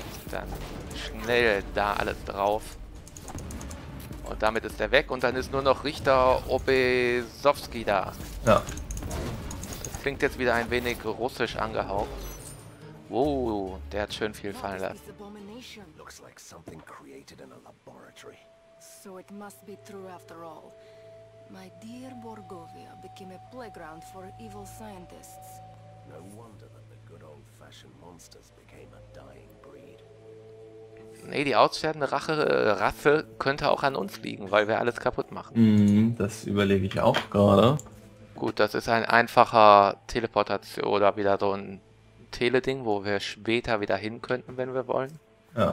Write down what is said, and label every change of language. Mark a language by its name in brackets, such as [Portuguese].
[German] Dann schnell da alles drauf. Und damit ist er weg und dann ist nur noch Richter Obesowski da. Ja. Das klingt jetzt wieder ein wenig russisch angehaucht. Wow, der hat schön viel fallen lassen. [English] Looks like something created in a laboratory. So it must be true after all. My dear Borgovia became a playground for evil scientists. No wonder that the good old-fashioned monsters became a dying breed. [German] Nee, die aussterbende Rasse könnte auch an uns liegen, weil wir alles kaputt machen. Das überlege ich auch gerade. Gut, das ist ein einfacher Teleportation oder wieder so ein Teleding, wo wir später wieder hin könnten, wenn wir wollen. Ja,